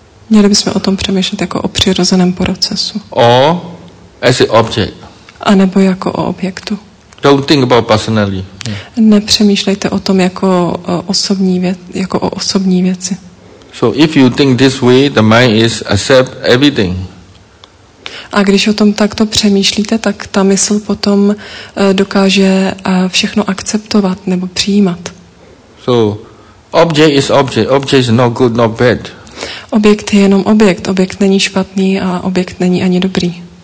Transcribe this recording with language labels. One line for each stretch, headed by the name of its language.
Czech: Měli bychom o tom přemýšlet jako o přirozeném procesu.
English: Or as an object.
Czech: A nebo jako o objektu.
English: Don't think about personality. Yeah.
Czech: Nepřemýšlejte o tom jako osobní věc, jako o osobní věci.
English: So if you think this way, the mind is accept everything.
Czech: A když o tom takto přemýšlíte, tak ta mysl potom dokáže všechno akceptovat nebo přijímat.
English: So object is object. Object is not good, not bad.
Czech: Objekt je jenom objekt. Objekt není špatný a objekt není ani dobrý.